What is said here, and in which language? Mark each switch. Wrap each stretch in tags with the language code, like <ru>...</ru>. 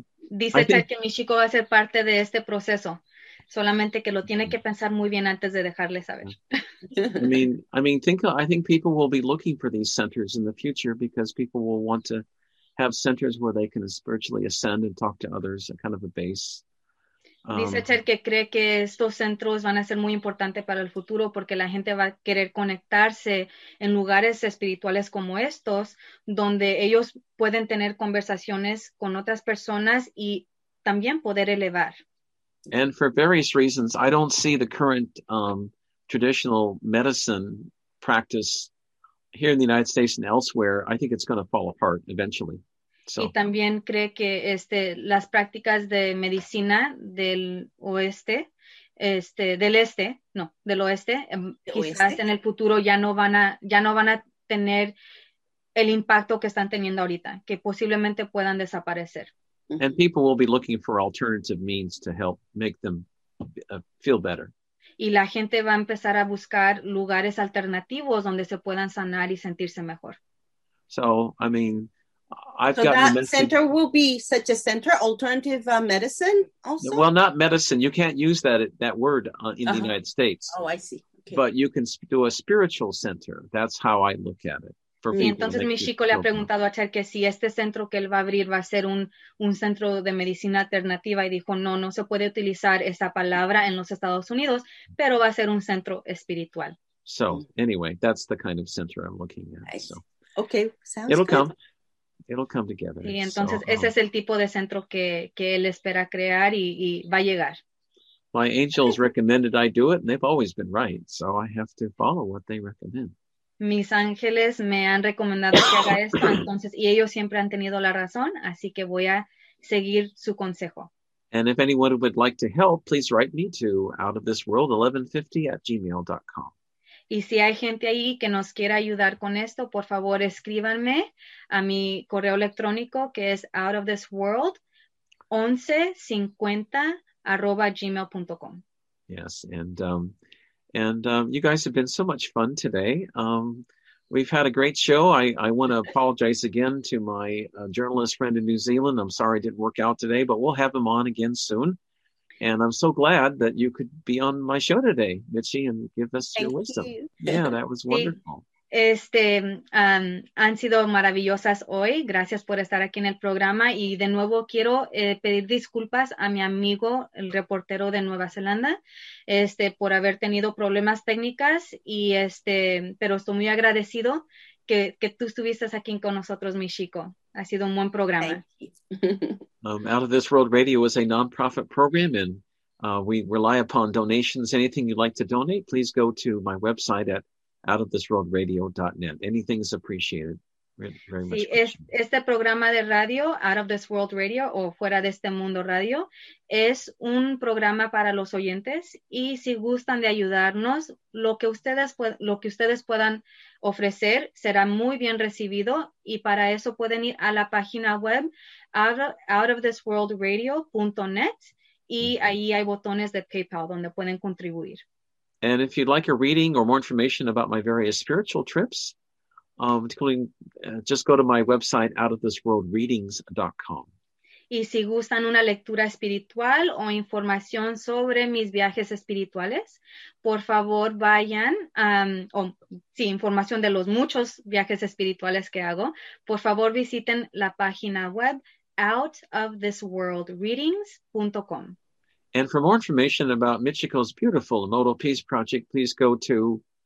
<es>Dice Chad que mi chico va a ser parte de este proceso. Solamente que lo tiene que pensar muy bien antes de dejarle saber.</es> <en>I think people will be looking for these centers in the future because people will want to have centers where they can spiritually ascend and talk to others, a kind of a base.</en> <es>Dice Chad que cree que estos centros van a ser muy importantes para el futuro porque la gente va a querer conectarse en lugares espirituales como estos, donde ellos pueden tener conversaciones con otras personas y también poder elevar.</es> <en>And for various reasons, I don't see the current traditional medicine practice here in the United States and elsewhere. I think it's going to fall apart eventually. So.</en> <es>Y también cree que las prácticas de medicina del oeste, del este, no, del oeste, quizás en el futuro ya no van a tener el impacto que están teniendo ahorita, que posiblemente puedan desaparecer.</es> <en>And people will be looking for alternative means to help make them feel better.</en> <es>Y la gente va a empezar a buscar lugares alternativos donde se puedan sanar y sentirse mejor.</es> <en>So, I mean, I've gotten that center will be such a center, alternative medicine also? Well, not medicine. You can't use that word in the United States. Oh, I see. Okay. But you can do a spiritual center. That's how I look at it.</en> <es>Y entonces mi chico le ha preguntado a Cher que si este centro que él va a abrir va a ser un centro de medicina alternativa y dijo no se puede utilizar esa palabra en los Estados Unidos, pero va a ser un centro espiritual.</es> <en>So, anyway, that's the kind of center I'm looking at. So. Okay, sounds it'll good. It'll come together.</en> <es>Y entonces ese es el tipo de centro que él espera crear y va a llegar.</es> <en>My angels recommended I do it and they've always been right, so I have to follow what they recommend.</en> <es>Mis ángeles me han recomendado que haga esto, entonces, y ellos siempre han tenido la razón, así que voy a seguir su consejo.</es> <en>And if anyone would like to help, please write me to outofthisworld1150@gmail.com.</en> <es>Y si hay gente ahí que nos quiera ayudar con esto, por favor, escríbanme a mi correo electrónico que es outofthisworld1150@gmail.com.</es> <en>Yes, And you guys have been so much fun today. We've had a great show. I want to apologize again to my journalist friend in New Zealand. I'm sorry it didn't work out today, but we'll have him on again soon. And I'm so glad that you could be on my show today, Mitchie, and give us Thank your wisdom. You. Yeah, that was wonderful.</en> <es>Han sido maravillosas hoy. Gracias por estar aquí en el programa. Y de nuevo quiero pedir disculpas a mi amigo, el reportero de Nueva Zelanda, por haber tenido problemas técnicas. Y pero estoy muy agradecido que tú estuviste aquí con nosotros, mi chico. Ha sido un buen programa.</es> <en>Out of This World Radio is a non-profit program and we rely upon donations. Anything you'd like to donate, please go to my website at outofthisworldradio.net. Anything is appreciated. Very much.</en> <es>Sí, este programa de radio, Out of This World Radio, o Fuera de Este Mundo Radio, es un programa para los oyentes. Y si gustan de ayudarnos, lo que ustedes puedan ofrecer será muy bien recibido. Y para eso pueden ir a la página web, outofthisworldradio.net. Y ahí hay botones de PayPal donde pueden contribuir.</es> <en>And if you'd like a reading or more information about my various spiritual trips, including just go to my website, outofthisworldreadings.com.</en> <es>Y si gustan una lectura espiritual o información sobre mis viajes espirituales, por favor vayan, información de los muchos viajes espirituales que hago, por favor visiten la página web, outofthisworldreadings.com.</es> <en>And for more information about Michiko's beautiful Emoto Peace Project, please go to</en>